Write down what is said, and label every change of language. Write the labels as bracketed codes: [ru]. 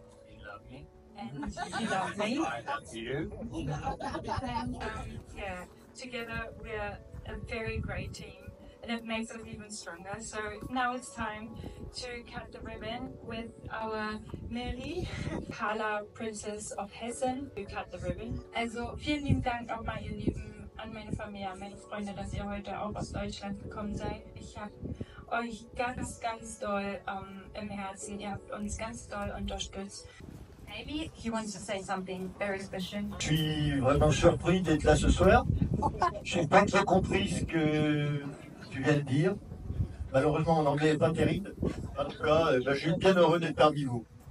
[en] you love me. I love you. And, together we are a very great team. And it makes us even stronger. So now it's time to cut the ribbon with our Milly, Carla, Princess of Hessen, who cut the ribbon. [de] Also, vielen lieben Dank auch mal, ihr Lieben, an meine Familie, meine Freunde, dass ihr heute auch aus Deutschland gekommen seid. Ich habe euch ganz, ganz doll im Herzen. Ihr habt uns ganz doll unterstützt. [en] Maybe he wants to say something very special. [fr] Je suis vraiment surpris d'être là ce soir. J'ai pas très compris ce que tu viens de dire. Malheureusement, mon anglais n'est pas terrible. En tout cas, ben, je suis bien heureux d'être parmi vous.